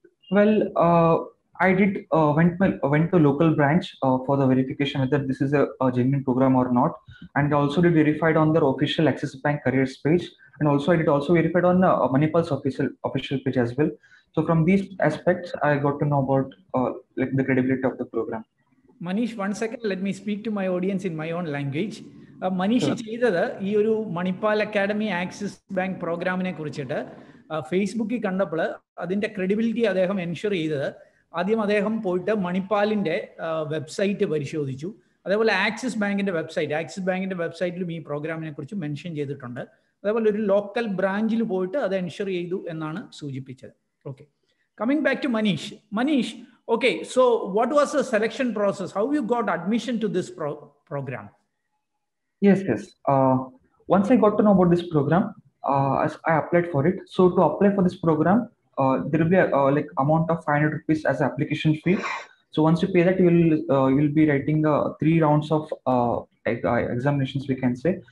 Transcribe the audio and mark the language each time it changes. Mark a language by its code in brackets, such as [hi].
[en] Well, I did went to a local branch for the verification whether this is a genuine program or not, and also did verified on their official Axis Bank careers page, and also I did also verified on Manipal's official page as well. So from these aspects I got to know about the credibility of the program. Manish, one second, let me speak to my audience in my own language. [ml] Manish ചെയ്തത് ഈ ഒരു Manipal academy axis bank പ്രോഗ്രാമിനെ കുറിച്ചിട്ട് ഫേസ്ബുക്കിൽ കണ്ടപ്പോൾ അതിന്റെ credibility അദ്ദേഹം ensure ചെയ്തത് ആദ്യം അദ്ദേഹം പോയിട്ട് മണിപ്പാലിന്റെ വെബ്സൈറ്റ് പരിശോധിച്ചു, അതേപോലെ ആക്സിസ് ബാങ്കിന്റെ വെബ്സൈറ്റ്, ആക്സിസ് ബാങ്കിന്റെ വെബ്സൈറ്റിലും ഈ പ്രോഗ്രാമിനെ കുറിച്ച് മെൻഷൻ ചെയ്തിട്ടുണ്ട്. അതേപോലെ ഒരു ലോക്കൽ ബ്രാഞ്ചിൽ പോയിട്ട് അത് എൻഷുർ ചെയ്തു എന്നാണ് സൂചിപ്പിച്ചത്. [en] Okay, coming back to Manish. Manish, okay, so what was the selection process? How you got admission to this program? Yes, yes. Once I got to know about this program, I applied for it. So to apply for this program, there will be a amount of 500 rupees as application fee. So once you pay that, you will be writing three rounds of examinations, we can say.